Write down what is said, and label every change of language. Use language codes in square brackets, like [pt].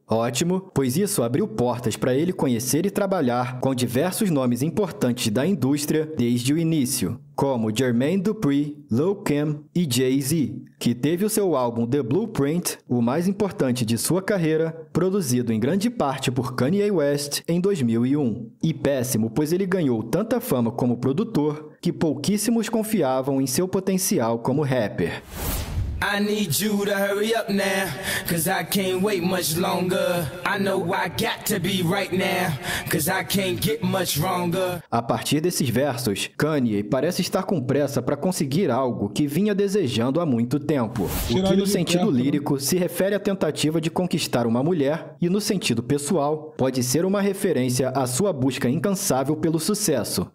[pt] Ótimo, pois isso abriu portas para ele conhecer e trabalhar com diversos nomes importantes da indústria desde o início, como Jermaine Dupri, Lil' Kim e Jay-Z, que teve o seu álbum The Blueprint, o mais importante de sua carreira, produzido em grande parte por Kanye West em 2001. E péssimo, pois ele ganhou tanta fama como produtor que pouquíssimos confiavam em seu potencial como rapper. [en] I need you to hurry up now, 'cause I can't wait much longer. I know I got to be right now, 'cause I can't get much longer. [pt] A partir desses versos, Kanye parece estar com pressa para conseguir algo que vinha desejando há muito tempo. O que no sentido lírico se refere à tentativa de conquistar uma mulher, e no sentido pessoal, pode ser uma referência à sua busca incansável pelo sucesso.